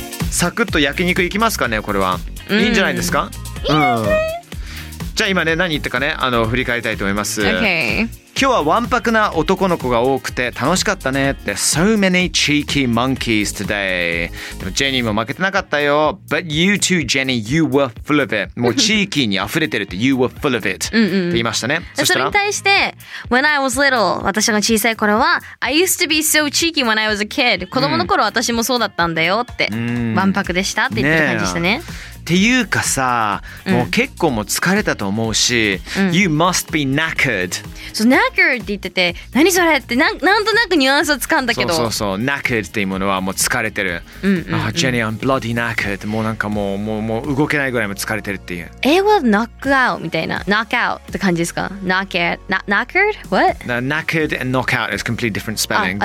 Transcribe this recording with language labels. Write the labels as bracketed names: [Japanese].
[Japanese] サクッと焼肉行きますかね、これは。いいんじゃないですか？いいですね。じゃあ今ね、何言ったかね、振り返りたいと思います。 [English] Okay. [Japanese] 今日はわんぱくな男の子が多くて楽しかったねって。 [English] So many cheeky monkeys today。 [Japanese] でもジェニーも負けてなかったよ。 [English] But you too Jenny, you were full of it。 [Japanese] もうチーキーに溢れてるって [English] You were full of it [Japanese] って言いましたね。そしたらそれに対して [English] When I was little、 [Japanese] 私が小さい頃は [English] I used to be so cheeky when I was a kid、 [Japanese] 子供の頃私もそうだったんだよって、うん、わんぱくでしたって言ってる感じでした ね。っていうかさ、もう結構も疲れたと思うし、うん、 [English] You must be knackered。 [Japanese] そう、knackered って言ってて、何それって なんとなくニュアンスをつかんだけど、そうそうそう、knackered っていうものはもう疲れてる、うんうんうん、 [English] あ、Jenny, I'm bloody knackered。 [Japanese] もうなんかもう動けないぐらいも疲れてるっていう。英語は knock out みたいな、 knock out って感じですか？knock out、 knackered? [English] What? knackered and knock out is completely different spelling。